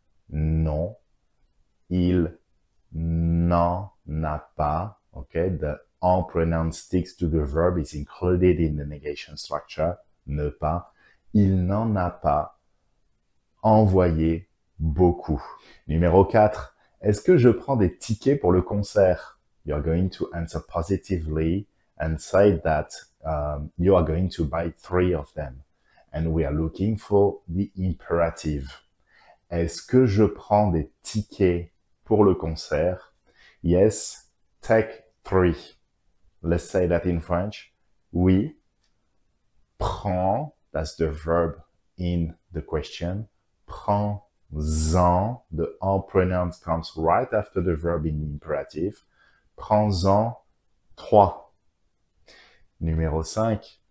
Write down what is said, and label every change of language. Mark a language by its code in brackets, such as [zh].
[fr] Non. Il n'en a pas. OK? [en] The en pronoun sticks to the verb. It's included in the negation structure. Ne pas. [fr] Il n'en a pas envoyé beaucoup. Numéro 4. Est-ce que je prends des tickets pour le concert? [en] You're going to answer positively and say that you are going to buy 3 of them. And we are looking for the imperative. [fr] Est-ce que je prends des tickets pour le concert? [en] Yes, take 3. Let's say that in French. [fr] Oui, prends, [en] that's the verb in the question. Prends-en, the en pronoun comes right after the verb in the imperative. [fr] Prends-en 3. Numéro 5.